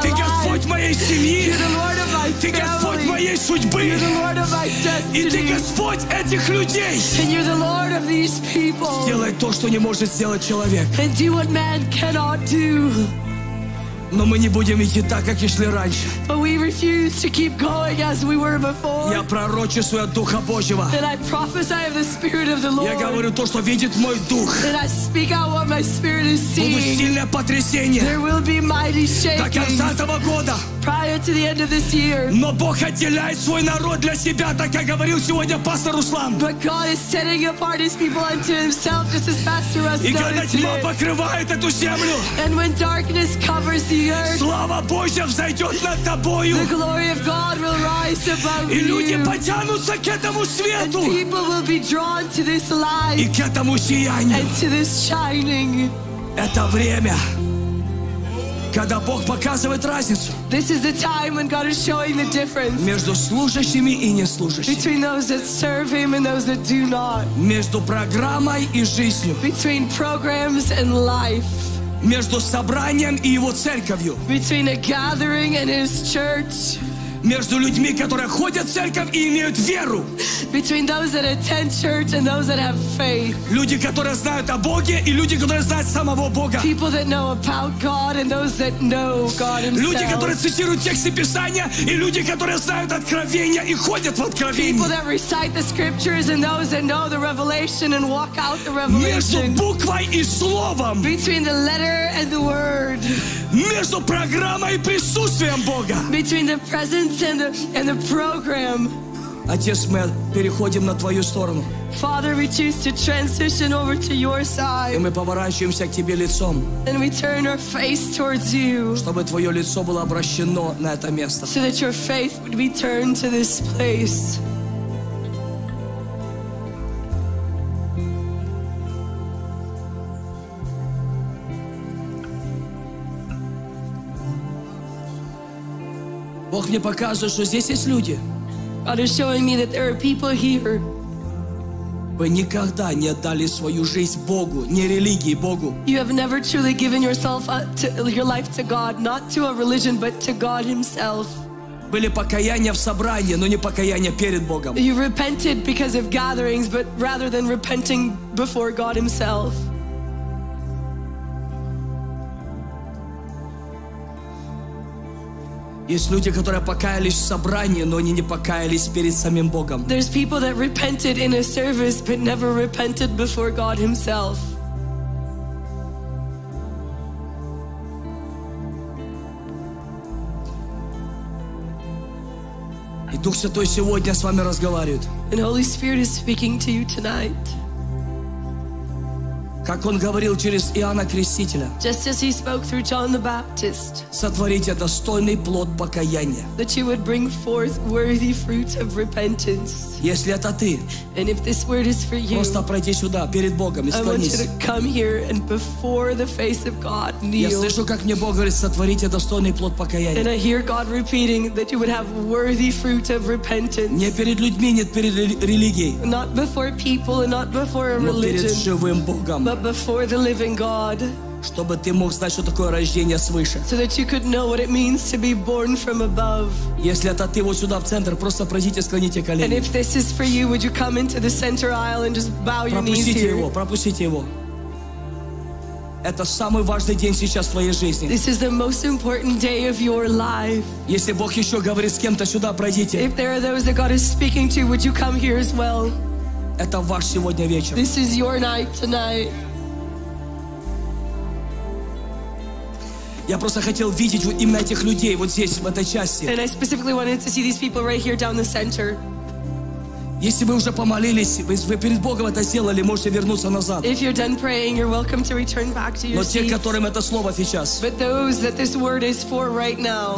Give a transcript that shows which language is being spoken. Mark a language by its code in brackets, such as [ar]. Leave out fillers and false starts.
[ru] Ты Господь моей семьи. [en] You're the Lord of my family. [ru] Ты Господь моей судьбы. [en] You're the Lord of my destiny. [ru] И ты Господь этих людей. [en] And you're the Lord of these people. [ru] Сделай то, что не может сделать человек. [en] And do what man cannot do. [ru] Но мы не будем идти так, как и шли раньше. [en] But we refuse to keep going as we were before. [ru] Я пророчествую от Духа Божьего. [en] Then I prophesy of the Spirit of the Lord. [ru] Я говорю то, что видит мой дух. [en] Then I speak out what my spirit is seeing. [ru] Будет сильное потрясение. [en] There will be mighty shaking. [ru] До конца этого года. [en] Prior to the end of this year. [ru] Но Бог отделяет свой народ для себя, так как говорил сегодня пастор Руслан. [en] But God is setting apart His people unto Himself, just as Pastor Russ noted. [ru] И когда тьма покрывает эту землю. [en] And when darkness covers the earth. [ru] Слава Божья взойдет над тобою. [en] The glory of God will rise above you. [ru] И люди потянутся к этому свету. [en] And people will be drawn to this light. [ru] И к этому сиянию. [en] And to this shining. [ru] Это время. Когда Бог показывает разницу. [en] This is the time when God is showing the difference. [ru] Между служащими и неслужащими. [en] Between those that serve Him and those that do not. [ru] Между программой и жизнью. [en] Between programs and life. [ru] Между собранием и Его церковью. [en] Between a gathering and His church. [ru] Между людьми, которые ходят в церковь и имеют веру. [en] Between those that attend church and those that have faith. [ru] Люди, которые знают о Боге, и люди, которые знают самого Бога. [en] People that know about God and those that know God Himself. [ru] Люди, которые цитируют тексты Писания, и люди, которые знают откровения и ходят в откровения. [en] People that recite the scriptures and those that know the revelation and walk out the revelation. [ru] Между буквой и словом. [en] Between the letter and the word. [ru] Между программой и присутствием Бога. [en] Between the presence and the program. [ru] Отец, мы переходим на твою сторону. [en] Father, we choose to transition over to your side. [ru] И мы поворачиваемся к тебе лицом. [en] And we turn our face towards you. [ru] Чтобы твое лицо было обращено на это место. [en] So that your face would be turned to this place. [ru] Бог мне показывает, что здесь есть люди. [en] God is showing me that there are people here. [ru] Вы никогда не отдали свою жизнь Богу, не религии Богу. [en] You have never truly given yourself to, your life to God, not to a religion, but to God Himself. [ru] Были покаяния в собрании, но не покаяния перед Богом. [en] You repented because of gatherings, but rather than repenting before God Himself. [ru] Есть люди, которые покаялись в собрании, но они не покаялись перед самим Богом. [en] There's people that repented in a service, but never repented before God Himself. [ru] И Дух Святой сегодня с вами разговаривает. [en] And Holy Spirit is speaking to you tonight. [ru] Как Он говорил через Иоанна Крестителя. [en] Just as He spoke through John the Baptist. [ru] Сотворите достойный плод покаяния. [en] That you would bring forth worthy fruit of repentance. [ru] Если это ты. [en] And if this word is for you. [ru] Просто пройди сюда, перед Богом, и склонись. [en] I want you to come here and before the face of God kneel. [ru] Я слышу, как мне Бог говорит, сотворите достойный плод покаяния. [en] And I hear God repeating that you would have worthy fruit of repentance. [ru] Не перед людьми, не перед религией. [en] Not before people and not before a religion. [ru] Но перед живым Богом. [en] But before the living God, [ru] чтобы ты мог знать, что такое рождение свыше. [en] So that you could know what it means to be born from above. [ru] Если это ты, вот сюда в центр, просто пройдите, склоните колени. [en] And if this is for you, would you come into the center aisle and just bow your knees here? [ru] Пропустите его, пропустите его. Это самый важный день сейчас в твоей жизни. [en] This is the most important day of your life. [ru] Если Бог еще говорит с кем-то, сюда пройдите. [en] If there are those that God is speaking to, would you come here as well? [ru] Это ваш сегодня вечер. [en] This is your night tonight. [ru] Я просто хотел видеть именно этих людей вот здесь, в этой части. [en] And I specifically wanted to see these people right here down the center. [ru] Если вы уже помолились, вы перед Богом это сделали, можете вернуться назад. [en] If you're done praying, you're welcome to return back to your seats. [ru] Но те, которым это слово сейчас. [en] But those that this word is for right now.